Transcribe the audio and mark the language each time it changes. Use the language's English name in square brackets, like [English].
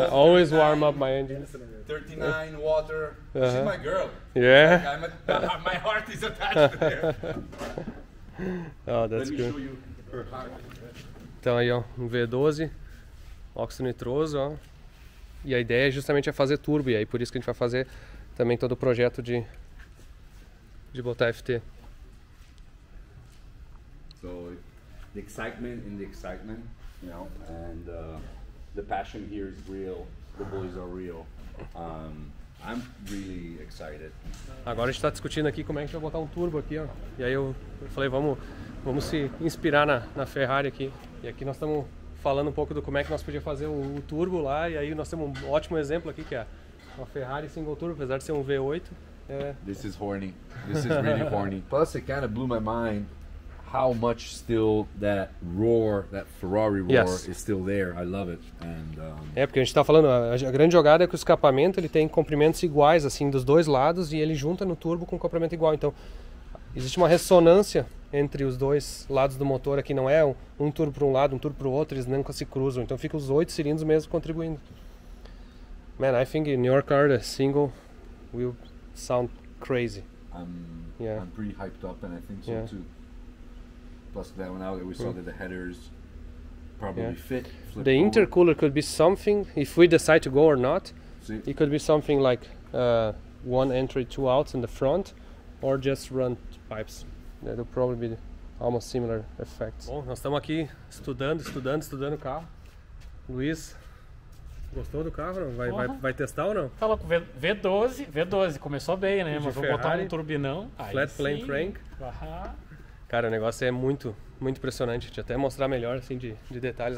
[English] I always warm up my engine. 39 water. Uh-huh. She's my girl. Yeah. My heart is attached there. Oh, that's good. Let me show you her heart. [Portuguese] Então aí, ó, um V12, óxido nitroso, ó. E a ideia justamente é fazer turbo, e aí por isso que a gente vai fazer também todo o projeto de botar FT. [English] So, the excitement in the excitement, you know, and the passion here is real, the boys are real. I'm really excited. [Portuguese] Agora a gente está discutindo aqui como é que a gente vai botar um turbo aqui, ó. E aí eu falei, vamos se inspirar na Ferrari aqui. E aqui nós estamos falando um pouco do como é que nós podíamos fazer o turbo lá. E aí nós temos um ótimo exemplo aqui, que é uma Ferrari single turbo, apesar de ser um V8. [English] This is horny. This is really horny. Plus, it kind of blew my mind how much still that roar, that Ferrari roar, yes, is still there. I love it. [Portuguese] É, porque a gente está falando, a grande jogada é que o escapamento ele tem comprimentos iguais, assim, dos dois lados, e ele junta no turbo com um comprimento igual. Então, existe uma ressonância entre os dois lados do motor aqui, não é um turbo para um lado, um turbo para o outro, eles nunca se cruzam, então fica os 8 cilindros mesmo contribuindo. [English] Man, I think in your car the single will sound crazy. I'm pretty hyped up, and I think so too. Plus that one out, we saw that the headers probably fit. The intercooler forward. Could be something, if we decide to go or not, it could be something like one entry, two outs in the front, or just run pipes. That will probably be almost similar effects. [Portuguese] Bom, nós estamos aqui estudando o carro. Luiz, gostou do carro? Não? Vai testar ou não? Fala com V12, começou bem, né? Mas vou botar um turbinão. [English] Flat [Portuguese] aí [English] plane [Portuguese] sim. [English] Crank. Uhum. [Portuguese] Cara, o negócio é muito, muito impressionante. Deixa eu até mostrar melhor, assim, de detalhes.